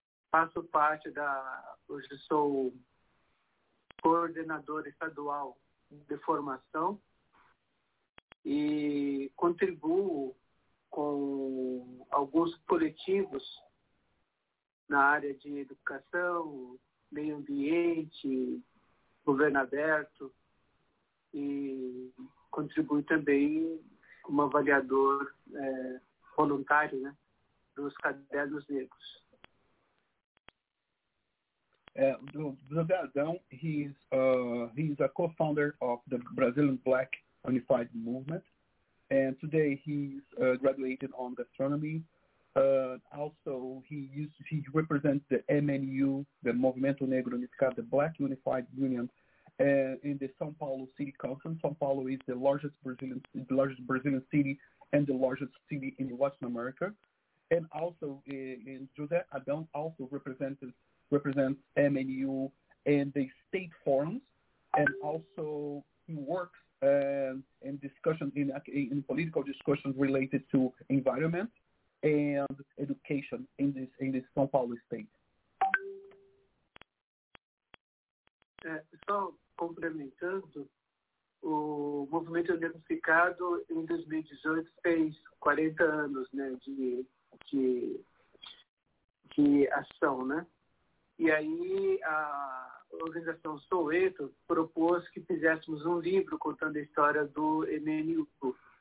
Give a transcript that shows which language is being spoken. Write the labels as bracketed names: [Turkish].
[Portuguese] Faço parte hoje sou coordenador estadual de formação e contribuo com alguns coletivos na área de educação, meio ambiente, governo aberto, e contribui também como avaliador voluntário, dos cadernos negros. [English] José Adão, he's a co-founder of the Brazilian Black Unified Movement, and today he's graduated on gastronomy. Also, he represents the MNU, the Movimento Negro Unificado, the Black Unified Union, In the São Paulo City Council. São Paulo is the largest Brazilian city and the largest city in Latin America. And also in José Adão also represents MNU and the state forums. And also he works in discussion in political discussions related to environment and education in this São Paulo state. [Portuguese] So, complementando, o Movimento Unificado em 2018 fez 40 anos, né, de ação, né? E aí a organização Soweto propôs que fizéssemos um livro contando a história do MNU.